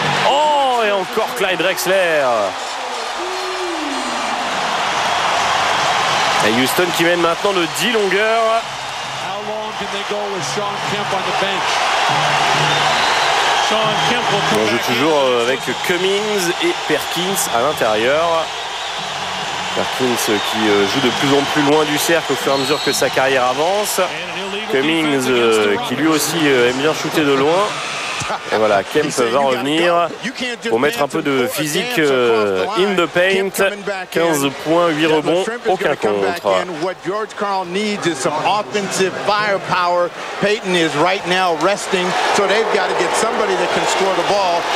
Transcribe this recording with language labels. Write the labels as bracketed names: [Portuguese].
[French] Oh, et encore Clyde Drexler. Et Houston qui mène maintenant de 10 longueurs. [English] How long can they go with Sean Kemp on the bench? [French] On joue toujours avec Cummings et Perkins à l'intérieur. Perkins qui joue de plus en plus loin du cercle au fur et à mesure que sa carrière avance. Cummings qui lui aussi aime bien shooter de loin. Et voilà, Kemp va revenir pour mettre un peu de physique [English] in the paint. [French] 15 points, 8 rebonds, aucun contre. [English] What George Karl needs is some offensive firepower. Peyton is right now resting, so they've got to get somebody that can score the ball.